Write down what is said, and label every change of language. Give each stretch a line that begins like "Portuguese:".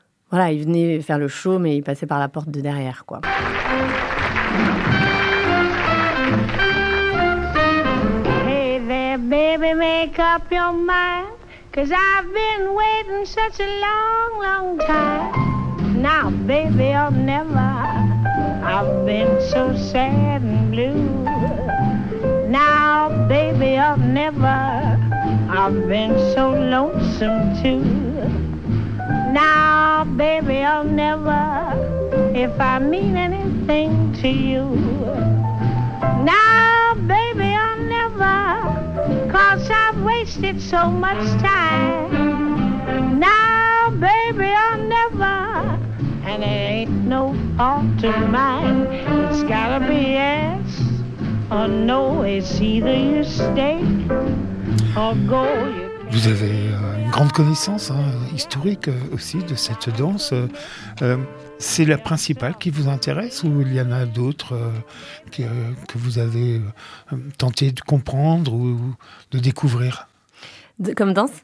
French: Voilà, ils venaient faire le show, mais ils passaient par la porte de derrière, quoi.
English: Hey there, baby, make up your mind, 'cause I've been waiting such a long, long time. Now, baby, or never, I've been so sad and blue. Now, baby, or never, I've been so lonesome too. Now, baby, or never, if I mean anything to you. Now, baby, I'll never, 'cause I've wasted so much time. Now, baby, I'll never, and it ain't no fault of mine. It's gotta be yes or no, it's either you stay or go.
French: Vous avez une grande connaissance, hein, historique aussi de cette danse. C'est la principale qui vous intéresse ou il y en a d'autres que vous avez tenté de comprendre ou de découvrir comme danse?